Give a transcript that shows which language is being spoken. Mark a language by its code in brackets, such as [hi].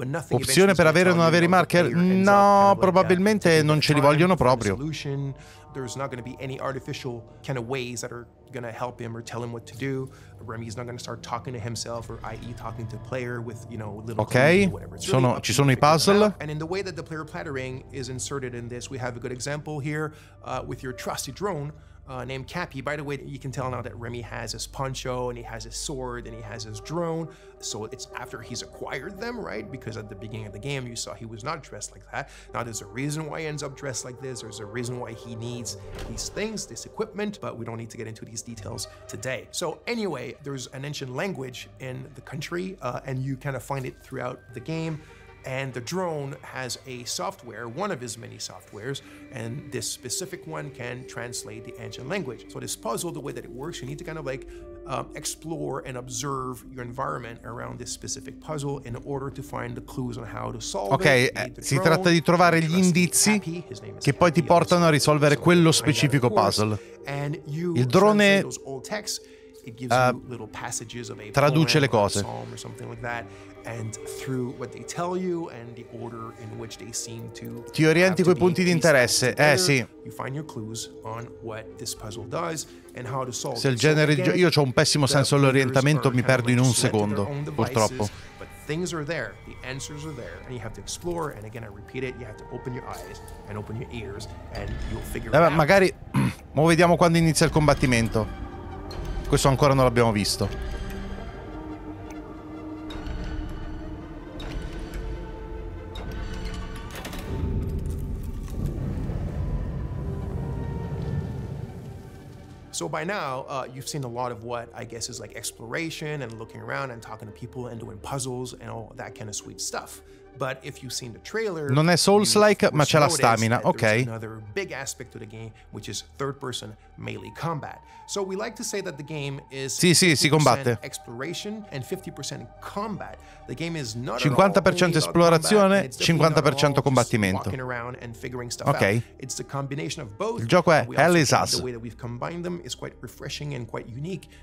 [it] Opzione per avere o non avere i marker? No, probabilmente non ce li vogliono proprio. [en] There's not going to be any artificial kind of ways that are going to help him or tell him what to do. Remy's not going to start talking to himself or i.e. talking to player with, you know, little okay. clues or whatever. [it] Okay, really ci sono i puzzle. [en] And in the way that the player plattering is inserted in this, we have a good example here with your trusty drone named Cappy. By the way, you can tell now that Remy has his poncho and he has his sword and he has his drone. So it's after he's acquired them, right? Because at the beginning of the game, you saw he was not dressed like that. Now there's a reason why he ends up dressed like this. There's a reason why he needs these things, this equipment, but we don't need to get into these details today. So anyway, there's an ancient language in the country and you kind of find it throughout the game. And the drone has a software, one of his many softwares, and this specific one can translate the ancient language. So this puzzle, the way that it works, you need to kind of like explore and observe your environment around this specific puzzle in order to find the clues on how to solve okay, it. [it] Okay, si tratta di trovare gli indizi che poi ti portano a risolvere quello specifico puzzle. [en] And you [it] il drone [en] those old texts, it gives you little passages of a [it] traduce [en] poem, [it] le cose. [en] Or a psalm or something like that. And through what they tell you and the order in which they seem to [it] ti orienti quei punti di interesse sì [en] you find your clues on what this puzzle does and how to solve [it] se il genere di io c'ho un pessimo senso all'orientamento mi perdo in un secondo purtroppo [en] but things are there the answers are there and you have to explore and again I repeat it you have to open your eyes and open your ears and you'll figure it out. [it] Magari mo vediamo quando inizia il combattimento, questo ancora non l'abbiamo visto. [en] So by now, you've seen a lot of what I guess is like exploration and looking around and talking to people and doing puzzles and all that kind of sweet stuff. But if you've seen the trailer, [it] non è Souls-like, ma c'è la stamina, ok. [en] There's another big aspect to the game, which is third-person melee combat. So we like to say that the game is 50% exploration and 50% combat. The game is not [it] 50% esplorazione, 50% combattimento. [en] Walking around and figuring stuff okay. out. It's the combination of both. [it] Il gioco è Hell is Us. [en] The way that we've combined them is quite refreshing and quite unique.